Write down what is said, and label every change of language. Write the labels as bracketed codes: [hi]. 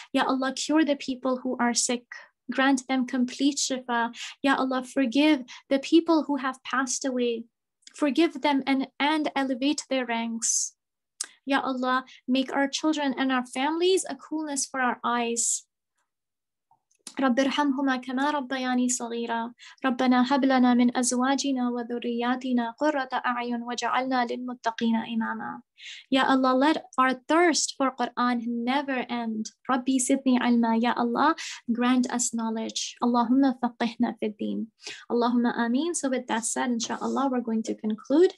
[en] Ya Allah, cure the people who are sick. Grant them complete shifa. Ya Allah, forgive the people who have passed away. Forgive them and elevate their ranks. Ya Allah, make our children and our families a coolness for our eyes. [ar] رب ارحمهما كما ربياني صغيرا ربنا هب لنا من ازواجنا وذرياتنا قرة اعين وجعلنا للمتقين اماما. [en] Ya Allah, let our thirst for Quran never end. [ar] Rabbi zidni ilma. [en] Ya Allah, grant us knowledge. [ar] Allahumma faqihna fi al-deen. Allahumma ameen. [en] So with that said, inshallah, we're going to conclude.